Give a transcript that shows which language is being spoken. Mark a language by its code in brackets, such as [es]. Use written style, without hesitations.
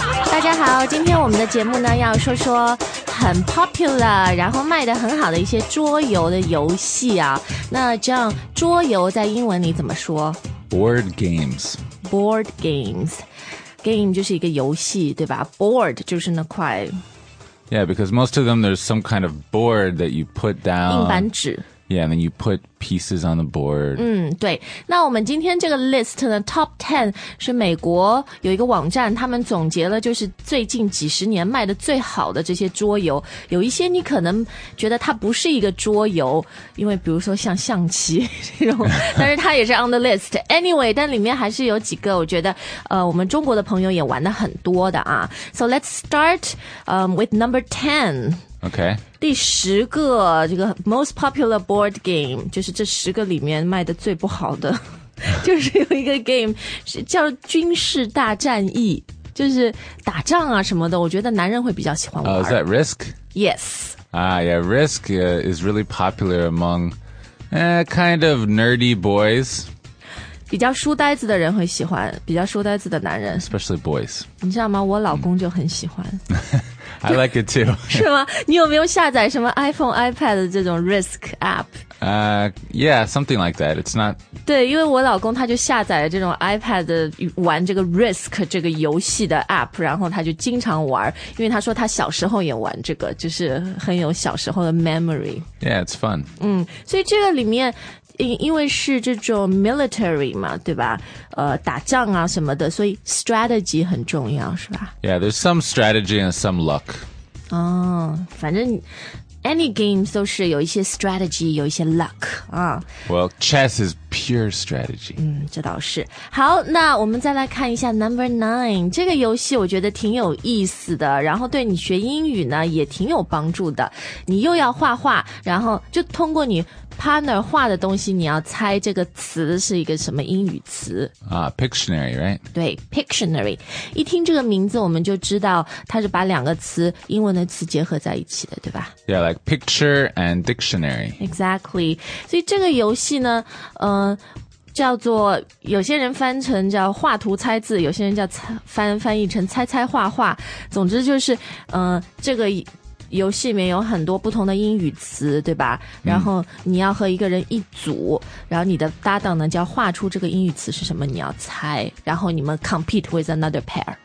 [zh] 大家好，今天我们的节目呢，要说说很 popular， 然后卖得很好的一些桌游的游戏啊。那这样，桌游在英文里怎么说 [en] ？Board games。 Board games。 [zh] Game 就是一个游戏，对吧 ？Board 就是那块。 [en] Yeah, because most of them, there's some kind of board that you put down. [zh] 硬板纸。 [en] Yeah, and then you put pieces on the board. [zh] 嗯，对。那我们今天这个 list 呢 ，top ten 是美国有一个网站，他们总结了就是最近几十年卖的最好的这些桌游。有一些你可能觉得它不是一个桌游，因为比如说像象棋这种，但是它也是 on the list. Anyway, 但里面还是有几个我觉得，我们中国的朋友也玩的很多的啊。 [en] So let's start, with number ten. Okay. [zh] 第十个这个 most popular board game 就是这十个里面卖的最不好的就是有一个 game 是叫军事大战役就是打仗啊什么的我觉得男人会比较喜欢玩、 [en] Is that Risk? Yes yeah, Risk is really popular among kind of nerdy boys [zh] 比较书呆子的人会喜欢比较书呆子的男人 [en] Especially boys [zh] 你知道吗我老公就很喜欢 [en] I like it too. [zh] 是吗？你有没有下载什么 iPhone、iPad 的这种 Risk app? [en] Yeah, something like that. It's not. [zh] 对，因为我老公他就下载了这种 iPad 的玩这个 Risk 这个游戏的 app， 然后他就经常玩，因为他说他小时候也玩这个，就是很有小时候的 memory. [en] Yeah, it's fun. [zh] 嗯，所以这个里面。因为是这种 military 嘛对吧打仗啊什么的所以 strategy 很重要是吧 [en] Yeah, there's some strategy and some luck. [zh] 哦反正 any game 都是有一些 strategy, 有一些 luck. 啊 [en] Well, chess is pure strategy. [zh] 嗯这倒是。好那我们再来看一下 number nine, 这个游戏我觉得挺有意思的然后对你学英语呢也挺有帮助的。你又要画画然后就通过你Partner 画的东西你要猜这个词是一个什么英语词、 [en] Pictionary, right? [zh] 对 Pictionary 一听这个名字我们就知道它是把两个词英文的词结合在一起的对吧 [en] Yeah, like picture and dictionary [zh] Exactly 所以这个游戏呢叫做有些人翻成叫画图猜字有些人叫翻译成猜猜画画总之就是这个游戏里面有很多不同的英语词对吧然后你要和一个人一组然后你的搭档呢就要画出这个英语词是什么你要猜然后你们 compete with another pair